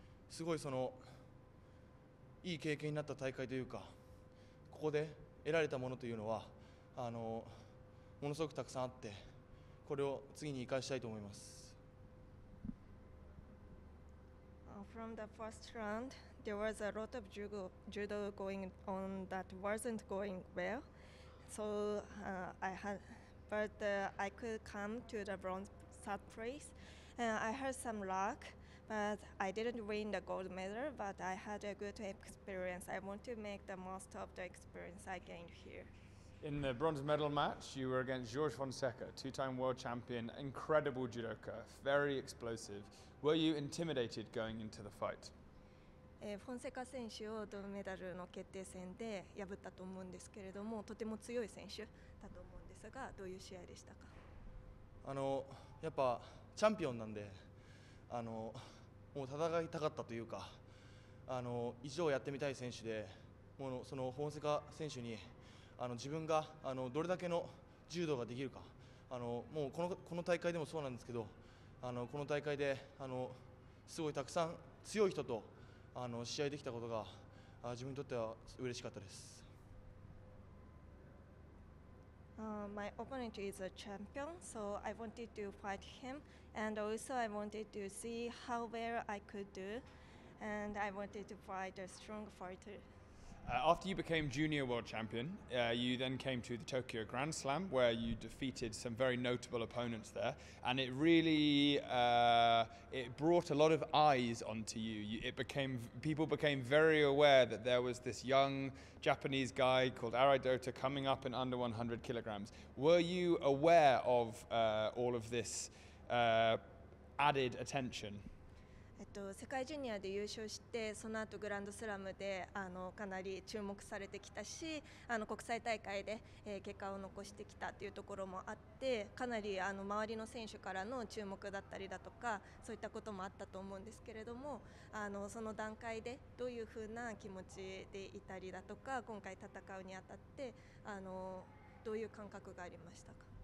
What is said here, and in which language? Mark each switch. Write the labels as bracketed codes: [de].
[ja] すごいそのいい経験になった大会というか、ここで得られたものというのはものすごくたくさんあって、これを次に生かしたいと思います。 [en] From the first round, there was a lot of judo going on that wasn't going well. So I could come to the bronze third place. I had some luck, but I didn't win the gold medal. But I had a good experience. I want to make the most of the experience I gained here. In the bronze medal match, you were against Jorge Fonseca, two-time world champion, incredible judoka, very explosive. Were you intimidated going into the fight? [ja] Fonseca 選手を銅メダルの決定戦で破ったと思うんですけれども、とても強い選手だと思うんですが、どういう試合でしたか？やっぱチャンピオンなんで、もう戦いたかったというか、一度やってみたい選手で、もうそのFonseca選手に自分がどれだけの柔道ができるか、もうこの大会でもそうなんですけど、この大会ですごいたくさん強い人と試合できたことが自分にとっては嬉しかったです。 [en] My opponent is a champion, so I wanted to fight him, and also I wanted to see how well I could do, and I wanted to fight a strong fighter. After you became junior world champion, you then came to the Tokyo Grand Slam, where you defeated some very notable opponents there, and it really it brought a lot of eyes onto you. People became very aware that there was this young Japanese guy called Arai Dota coming up in under 100 kilograms. Were you aware of all of this added attention? [ja] 世界ジュニアで優勝して、その後グランドスラムでかなり注目されてきたし、国際大会で、結果を残してきたというところもあって、かなり周りの選手からの注目だったりだとか、そういったこともあったと思うんですけれども、その段階でどういうふうな気持ちでいたりだとか、今回戦うにあたってどういう感覚がありましたか？